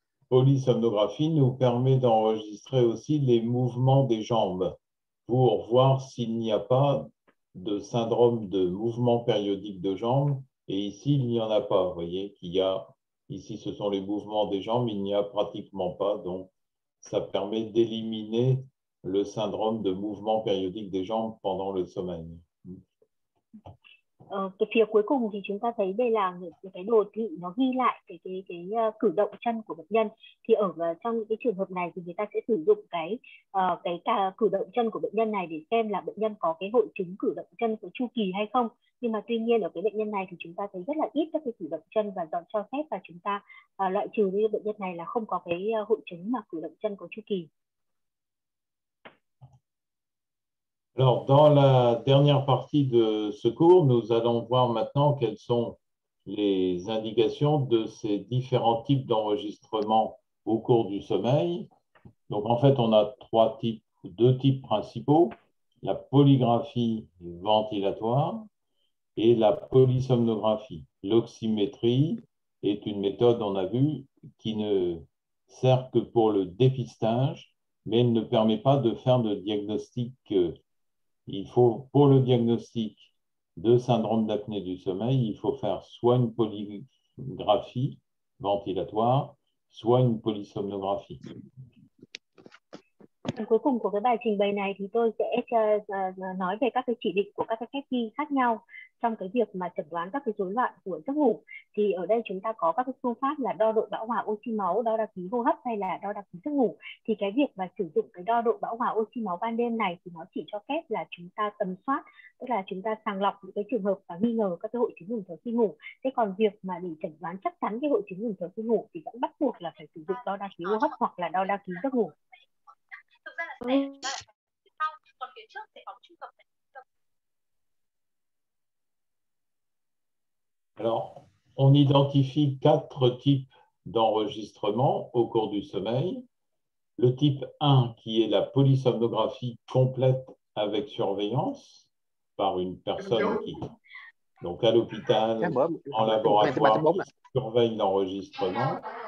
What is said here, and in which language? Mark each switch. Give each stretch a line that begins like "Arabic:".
French: Polysomnographie nous permet d'enregistrer aussi les mouvements des jambes pour voir s'il n'y a pas de syndrome de mouvement périodique de jambes. Et ici, il n'y en a pas. Vous voyez qu'il y a, ici, ce sont les mouvements des jambes, il n'y a pratiquement pas. Donc, ça permet d'éliminer le syndrome de mouvement périodique des jambes pendant le sommeil.
Vietnamese: Cái phía cuối cùng thì chúng ta thấy đây là những cái đồ thị nó ghi lại cái cử động chân của bệnh nhân. Thì ở trong cái trường hợp này thì người ta sẽ sử dụng cái cử động chân của bệnh nhân này để xem là bệnh nhân có cái hội chứng cử động chân của chu kỳ hay không. Nhưng mà tuy nhiên ở cái bệnh nhân này thì chúng ta thấy rất là ít các cái cử động chân, và dọn cho phép và chúng ta loại trừ cái bệnh nhân này là không có cái hội chứng mà cử động chân có chu kỳ.
French: Alors, dans la dernière partie de ce cours, nous allons voir maintenant quelles sont les indications de ces différents types d'enregistrement au cours du sommeil. Donc, en fait, on a deux types principaux, la polygraphie ventilatoire et la polysomnographie. L'oxymétrie est une méthode, on a vu, qui ne sert que pour le dépistage, mais elle ne permet pas de faire de diagnostic. Il faut, pour le diagnostic de syndrome d'apnée du sommeil, il faut faire soit une polygraphie ventilatoire, soit une polysomnographie.
Vietnamese: Cuối cùng của cái bài trình bày này thì tôi sẽ nói về các cái chỉ định của các cái cách ghi khác nhau trong cái việc mà chẩn đoán các cái rối loạn của giấc ngủ. Thì ở đây chúng ta có các cái phương pháp là đo độ bão hòa oxy máu, đo đa ký hô hấp hay là đo đa ký giấc ngủ. Thì cái việc mà sử dụng cái đo độ bão hòa oxy máu ban đêm này thì nó chỉ cho phép là chúng ta tầm soát, tức là chúng ta sàng lọc những cái trường hợp và nghi ngờ các cái hội chứng ngừng thở khi ngủ. Thế còn việc mà để chẩn đoán chắc chắn cái hội chứng ngừng thở khi ngủ thì vẫn bắt buộc là phải sử dụng đo đa ký hô hấp hoặc là đo đa ký giấc ngủ.
French: Alors, on identifie quatre types d'enregistrement au cours du sommeil. Le type 1 qui est la polysomnographie complète avec surveillance par une personne qui, donc à l'hôpital, en laboratoire, qui surveille l'enregistrement.